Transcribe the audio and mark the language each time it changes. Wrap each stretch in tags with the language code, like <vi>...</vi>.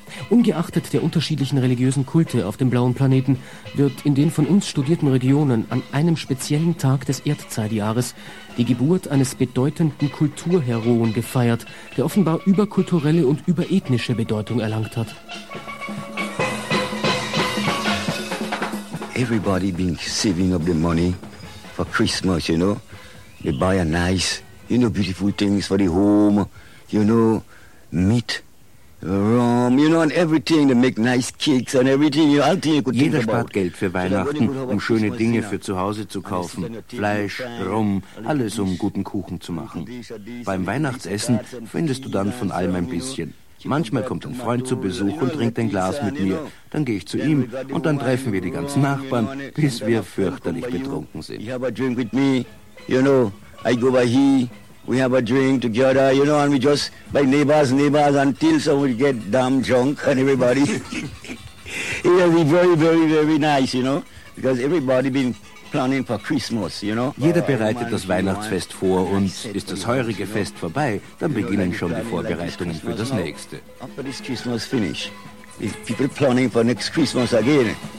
<de>Ungeachtet der unterschiedlichen religiösen Kulte auf dem blauen Planeten wird in den von uns studierten Regionen an einem speziellen Tag des Erdzeitjahres die Geburt eines bedeutenden Kulturheroen gefeiert, der offenbar überkulturelle und überethnische Bedeutung erlangt hat.</de> <en>Everybody been saving up the money for Christmas, you know. They buy a nice, you know, beautiful things for the home, you know, meat. Rum, you know, and everything, they make nice cakes and everything, you know, all things you could think about.</en> <de>Jeder spart Geld für Weihnachten, um schöne Dinge für zu Hause zu kaufen. Fleisch, Rum, alles um guten Kuchen zu machen. Beim Weihnachtsessen findest du dann von allem ein bisschen. Manchmal kommt ein Freund zu Besuch und trinkt ein Glas mit mir. Dann gehe ich zu ihm und dann treffen wir die ganzen Nachbarn, bis wir fürchterlich betrunken sind.</de> <en>You have a drink with me, you know, I go by he. We have a drink together, you know, and we just, by neighbors, until somebody get damn drunk and everybody. It will be very, very, very nice, you know, because everybody been planning for Christmas, you know.</en> <de>Jeder bereitet das Weihnachtsfest vor und ist das heurige Fest vorbei, dann beginnen schon die Vorbereitungen für das nächste.</de> <en>After this Christmas finish, if people planning for next Christmas again.</en>